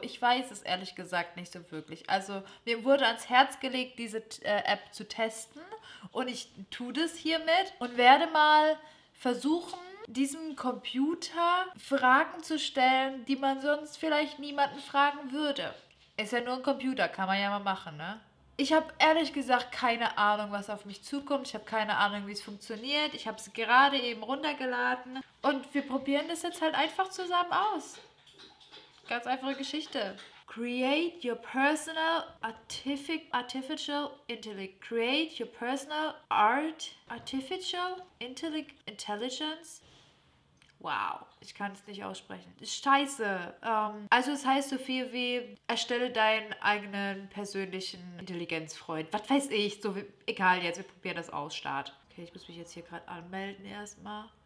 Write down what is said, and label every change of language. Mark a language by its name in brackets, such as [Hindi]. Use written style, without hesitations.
[German] Ich weiß es ehrlich gesagt nicht so wirklich. Also mir wurde ans Herz gelegt, diese App zu testen und ich tue das hiermit und werde mal versuchen, diesem Computer Fragen zu stellen, die man sonst vielleicht niemanden fragen würde. Ist ja nur ein Computer, kann man ja mal machen, ne? Ich habe ehrlich gesagt keine Ahnung, was auf mich zukommt. Ich habe keine Ahnung, wie es funktioniert. Ich habe es gerade eben runtergeladen. Und wir probieren das jetzt halt einfach zusammen aus. Ganz einfache Geschichte. [English] Create your personal artificial intellect. Create your personal art artificial intelligence. [German] Wow, ich kann es nicht aussprechen. Scheiße. Also es heißt so viel wie, erstelle deinen eigenen persönlichen Intelligenzfreund. Was weiß ich, so wie, egal jetzt, wir probieren das aus, Start. Okay, ich muss mich jetzt hier gerade anmelden erstmal.